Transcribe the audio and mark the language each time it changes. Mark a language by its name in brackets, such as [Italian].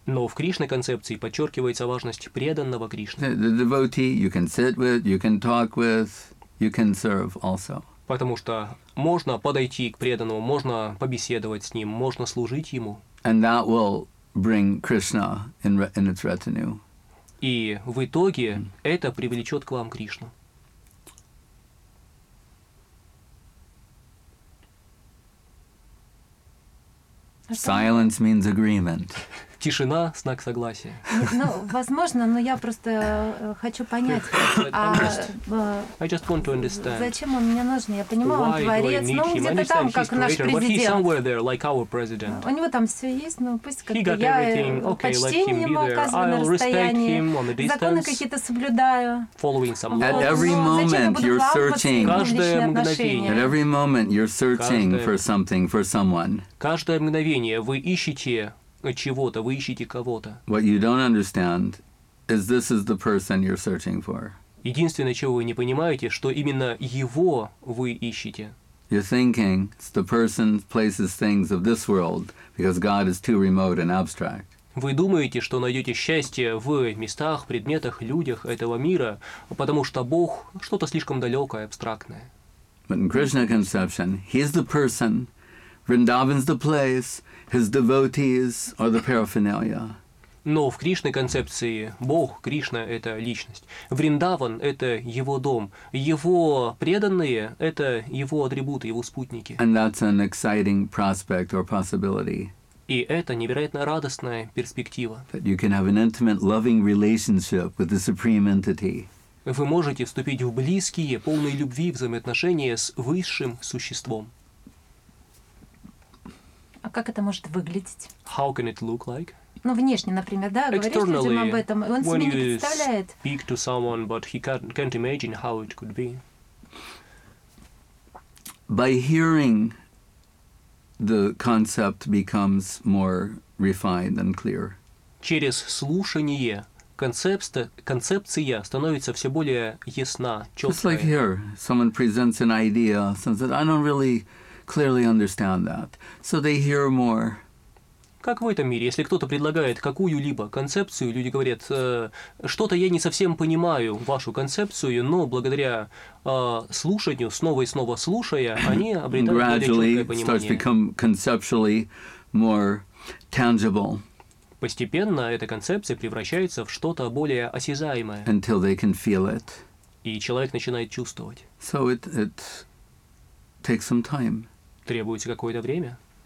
[Russian] Но в Кришна концепции подчеркивается важность преданного Кришны. [English] The devotee you can sit with, you can talk with, you can serve also. [Russian] Потому что можно подойти к преданному, можно побеседовать с ним, можно служить ему. [English] And that will bring Krishna in its retinue. [Russian] И в итоге это привлечет к вам Кришну. [English] Silence means agreement. [Russian] Тишина – знак согласия. Ну, возможно, но я просто хочу понять, зачем он мне нужен? Я понимаю, он творец, но он где-то там, как наш президент. У него там все есть, но пусть как-то я почтением оказываю на расстоянии, законы какие-то соблюдаю. [English] At every moment you're searching. [Russian] Каждое мгновение. [English] At every moment you're searching for something, for someone. [Russian] Каждое мгновение вы ищете чего-то, вы ищете кого-то. [English] What you don't understand is this is the person you're searching for. [Russian] Единственное, чего вы не понимаете, что именно его вы ищете. [English] You're thinking it's the person, places, things of this world, because God is too remote and abstract. [Russian] Вы думаете, что найдете счастье в местах, предметах, людях этого мира, потому что Бог что-то слишком далекое, абстрактное. [English] But in Krishna conception, he's the person. Vrindavan's the place, his devotees are the paraphernalia. [Russian] Но в Кришной концепции Бог, Кришна – это личность. Вриндаван – это его дом. Его преданные – это его атрибуты, его спутники. [English] And that's an exciting prospect or possibility. [Russian] И это невероятно радостная перспектива. [English] That you can have an intimate, loving relationship with the supreme entity. [Russian] Вы можете вступить в близкие, полные любви взаимоотношения с высшим существом. А как это может выглядеть? [English] How can it look like? [Russian] Ну, внешне, например, да, [English] externally, [Russian] говоришь людям об этом, он [English] when [Russian] себе [English] you [Russian] не представляет. [English] Speak to someone, but he can't imagine how it could be. By hearing, the concept becomes more refined and clear. [Russian] Через слушание концепция становится все более ясна, четкая. [English] Just like here, someone presents an idea, someone says, I don't really clearly understand that. So they hear more. [Russian] Как в этом мире, если кто-то предлагает какую-либо концепцию, люди говорят, что-то я не совсем понимаю вашу концепцию, но благодаря слушанию, снова и снова слушая, они обретают [English] gradually [Russian] более четкое понимание. [English] Starts become conceptually more tangible. [Russian] Постепенно эта концепция превращается в что-то более осязаемое. [English] Until they can feel it. [Russian] И человек начинает чувствовать. [English] So it takes some time. [Russian] Требуется какое-то время.